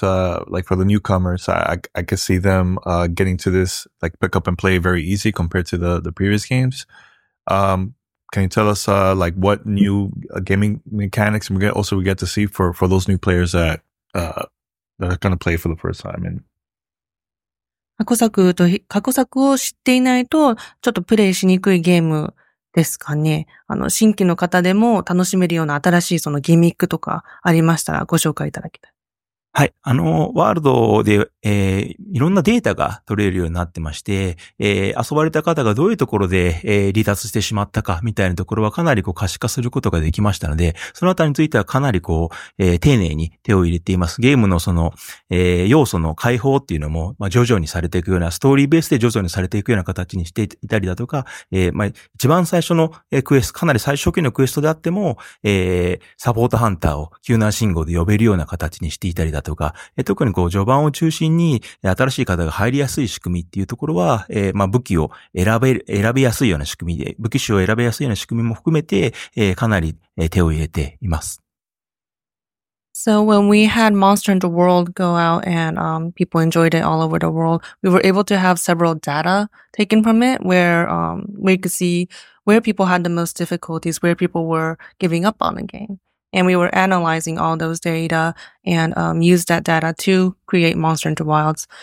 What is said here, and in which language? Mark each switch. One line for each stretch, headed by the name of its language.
English: Like for the newcomers, I could see them getting to this, like pick up and play very easy compared to the previous games. Can you tell us like what new gaming mechanics we get to see for those new players that are going to play for the first time? And,
Japanese: 過去作と過去作を知っていないとちょっとプレイしにくいゲームですかね。新規の方でも楽しめるような新しいそのギミックとかありましたらご紹介いただきたい。はい。ワールドで、いろんなデータが取れるようになってまして、遊ばれた方がどういうところで、離脱してしまったかみたいなところはかなりこう可視化することができましたので、そのあたりについてはかなりこう、丁寧に手を入れています。ゲームのその、要素の解放っていうのも、まあ、徐々にされていくような、ストーリーベースで徐々にされていくような形にしていたりだとか、まあ、一番最初のクエスト、かなり最初期のクエストであっても、サポートハンターを救難信号で呼べるような形にしていたりだとか、特にこう序盤を中心に新しい方が入りやすい仕組みっていうところは、まあ武器を選びやすいような仕組みで、武器種を選びやすいような仕組みも含めて、かなり手を入れています。
English: So when we had Monster Hunter World go out and people enjoyed it all over the world, we were able to have several data taken from it where we could see where people had the most difficulties, where people were giving up on the game. And we were analyzing all those data and used that data to create Monster Hunter Wilds.